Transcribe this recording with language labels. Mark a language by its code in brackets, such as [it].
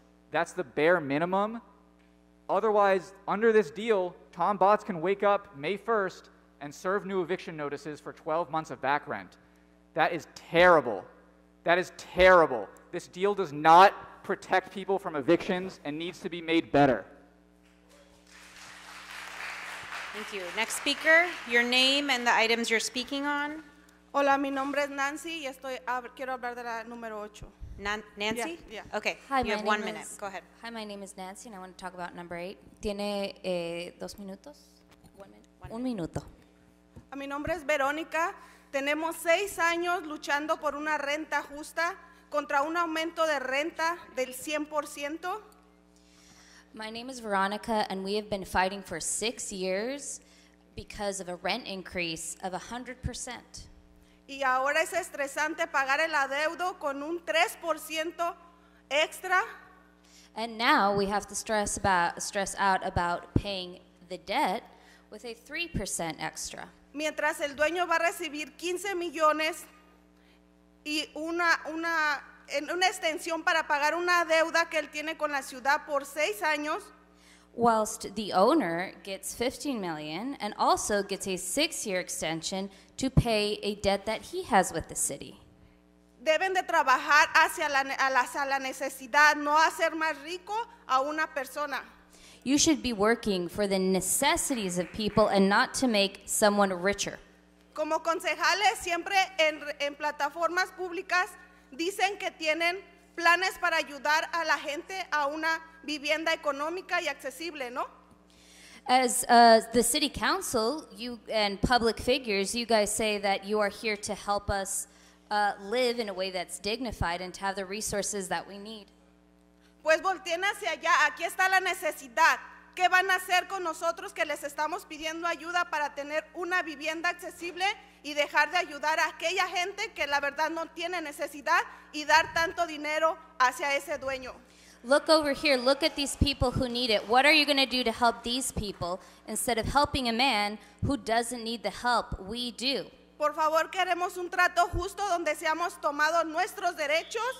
[en] That's the bare minimum. Otherwise, under this deal, Tom Botts can wake up May 1st and serve new eviction notices for 12 months of back rent. That is terrible. That is terrible. This deal does not protect people from evictions and needs to be made better. Thank you. Next speaker, your name and the items you're speaking on. [es] Hola, mi nombre es Nancy y estoy quiero hablar de la número 8. [en] Nancy? Yeah. Okay. Hi, you have 1 minute. Go ahead. Hi, my name is Nancy, and I want to talk about number 8. [es] ¿Tiene dos minutos? [en] 1 minute. [es] Un minuto. Mi nombre es Verónica. Tenemos 6 años luchando por una renta justa contra un aumento de renta del 100%. [en] My name is Veronica, and we have been fighting for 6 years because of a rent increase of 100%. [es] Y ahora es estresante pagar el adeudo con un 3% extra. [en] And now we have to stress out about paying the debt with a 3% extra. [es] Mientras el dueño va a recibir 15 millones y una extensión para pagar una deuda que él tiene con la ciudad por 6 años. [en] Whilst the owner gets $15 million and also gets a 6-year extension to pay a debt that he has with the city. [es] Deben de trabajar hacia la necesidad, no hacer más rico a una persona. [en] You should be working for the necessities of people and not to make someone richer. [es] Como concejales, siempre en plataformas públicas dicen que tienen planes para ayudar a la gente a una vivienda económica y accesible, ¿no? [en] As the city council, you and public figures, you guys say that you are here to help us live in a way that's dignified and to have the resources that we need. [es] Pues volteen hacia allá, aquí está la necesidad. ¿Qué van a hacer con nosotros que les estamos pidiendo ayuda para tener una vivienda accesible y dejar de ayudar a aquella gente que la verdad no tiene necesidad y dar tanto dinero hacia ese dueño? [en] Look over here, look at these people who need it. What are you going to do to help these people instead of helping a man who doesn't need the help we do? [es] Por favor, queremos un trato justo donde seamos tomados nuestros derechos.